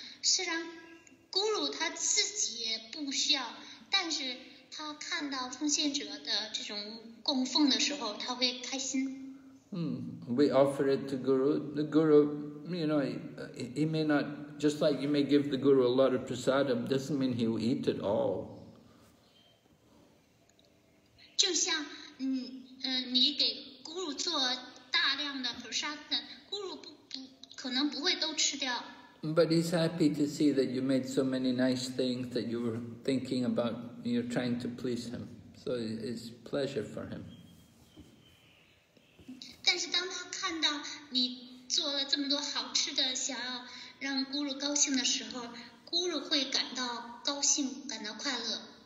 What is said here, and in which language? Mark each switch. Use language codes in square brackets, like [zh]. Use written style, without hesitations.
[zh] 虽然 Guru 他自己也不需要，但是他看到奉献者的这种供奉的时候，他会开心。 [en] We offer it to Guru. The Guru, you know, he may not, just like you may give the Guru a lot of prasadam, doesn't mean he will eat it all. [zh] 就像你给 Guru 做大量的 prasadam, Guru 可能不会都吃掉。 [en] But he's happy to see that you made so many nice things that you were thinking about, you're trying to please him. So it's pleasure for him. [zh] 但是当他看到你做了这么多好吃的，想要让 Guru 高兴的时候， Guru 会感到高兴，感到快乐。